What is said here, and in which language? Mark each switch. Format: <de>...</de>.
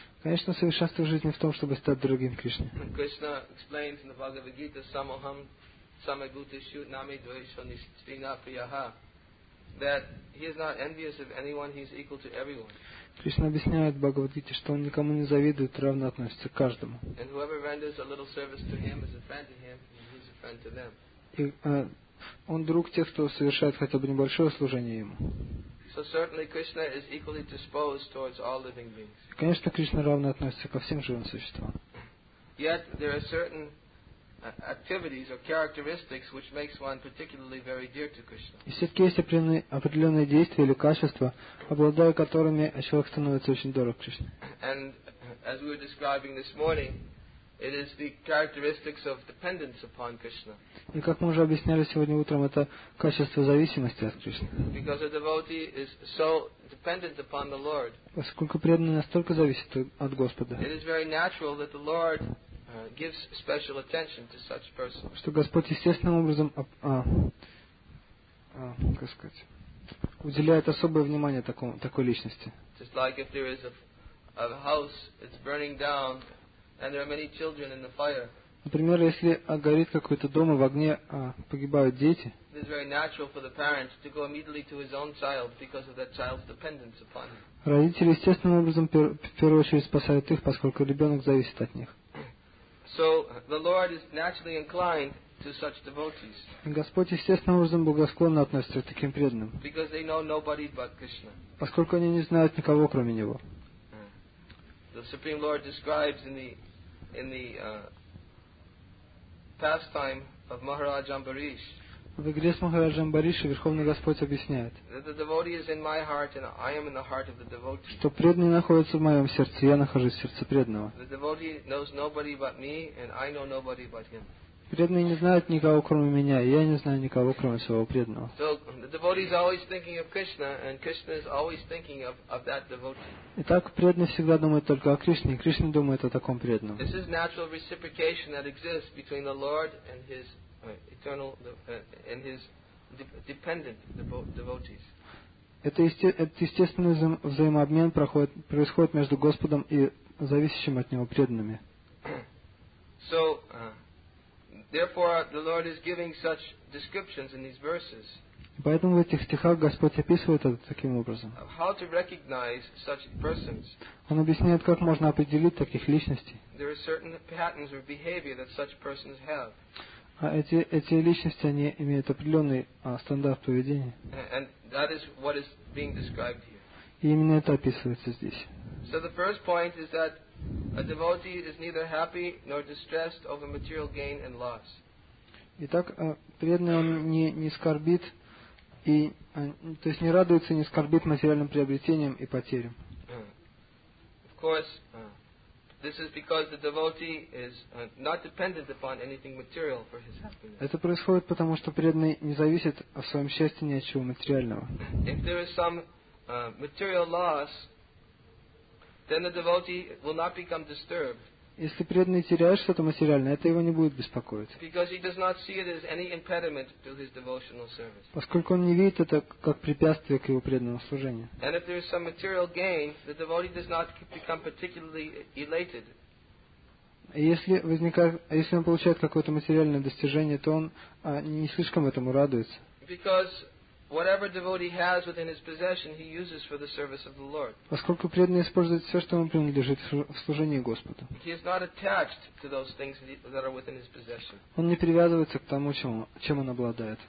<ru>Конечно, совершенство жизни в том, чтобы стать другим Кришне.</ru> <en>Krishna explains in the Bhagavad Gita,</en> <sa>Samoham Samagutishu Nami Dvesha Nishtina Priyaha,</sa> <en>that he is not envious of anyone, he is equal to everyone.</en> <ru>Кришна объясняет в Бхагавад Гите, что он никому не завидует, равно относится к каждому.</ru> <en>And whoever renders a little service to him is a friend to him, and he is a friend to them.</en> <ru>И он друг тех, кто совершает хотя бы небольшое служение ему.</ru> <en>So certainly Krishna is equally disposed towards all living beings.</en> <ru>Конечно, Кришна равно относится ко всем живым существам.</ru> <en>Yet there are certain activities or characteristics which makes one particularly very dear to Krishna.</en> <ru>И все-таки есть определенные действия или качества, обладая которыми человек становится очень дорог Кришне.</ru> <en>And as we were describing this morning, it is the characteristics of dependence upon Krishna.</en> <ru>И как мы уже объясняли сегодня утром, это качество зависимости от Кришны.</ru> <en>Because a devotee is so dependent upon the Lord.</en> <ru>Поскольку преданный настолько зависит от Господа.</ru> <en>It is very natural that the Lord gives special attention to such persons.</en> <ru>Что Господь естественным образом, как сказать, уделяет особое внимание такой личности.</ru> <en>Just like if there is a house, it's burning down. And there are many children in the fire.</en> <ru>Например, если горит какой-то дом и в огне погибают дети.</ru> <en>It is very natural for the parent to go immediately to his own child because of that child's dependence upon him.</en> <ru>Родители естественным образом в первую очередь спасают их, поскольку ребенок зависит от них.</ru> <en>So the Lord is naturally inclined to such devotees.</en> <ru>Господь естественным образом благосклонно относится к таким преданным.</ru> <en>Because they know nobody but Krishna.</en> <ru>Поскольку они не знают никого кроме него.</ru> <en>The Supreme Lord describes in the pastime of Maharaj Ambarish.</en> <ru>В игре с Махараджем Амбаришем Верховный Господь объясняет.</ru> <en>That the devotee is in my heart and I am in the heart of the devotee.</en> <ru>Что преданный находится в моем сердце, я нахожусь в сердце преданного.</ru> <en>The devotee knows nobody but me and I know nobody but him.</en> <ru>Преданные не знают никого, кроме меня, и я не знаю никого, кроме своего преданного. Итак, преданный всегда думает только о Кришне, и Кришна думает о таком преданном.</ru> <en>This is natural reciprocation that exists between the Lord and His eternal and His dependent devotees.</en> <ru>Это естественный взаимообмен происходит между Господом и зависящим от Него преданными.</ru> <en>So, therefore, the Lord is giving such descriptions in these verses.</en> <ru>Поэтому в этих стихах Господь описывает это таким образом.</ru> <en>How to recognize such persons.</en> <ru>Он объясняет, как можно определить таких личностей.</ru> <en>There are certain patterns or behavior that such persons have.</en> <ru>А эти личности, они имеют определенный стандарт поведения.</ru> <en>And that is what is being described here.</en> <ru>И именно это описывается здесь.</ru> <en>So the first point is that a devotee is neither happy nor distressed over material gain and loss.</en> <ru>Итак, преданный он не скорбит и, то есть, не радуется, не скорбит материальным приобретением и потерям.</ru> <en>Of course, this is because the devotee is not dependent upon anything material for his happiness.</en> <ru>Это происходит потому, что преданный не зависит о своем счастье ни от чего материального.</ru> <en>If there is some material loss, then the devotee will not become disturbed.</en> <ru>Если преданный теряет что-то материальное, это его не будет беспокоить.</ru> <en>Because he does not see it as any impediment to his devotional service.</en> <ru>Поскольку он не видит это как препятствие к его преданному служению.</ru> <en>And if there is some material gain, the devotee does not become particularly elated.</en> <ru>Если он получает какое-то материальное достижение, то он не слишком этому радуется.</ru> <en>Because whatever devotee has within his possession, he uses for the service of the Lord.</en> <ru>Поскольку преданный использует все, что ему принадлежит в служении Господу.</ru> <en>He is not attached to those things that are within his possession.</en> <ru>Он не привязывается к тому, чем он обладает.</ru>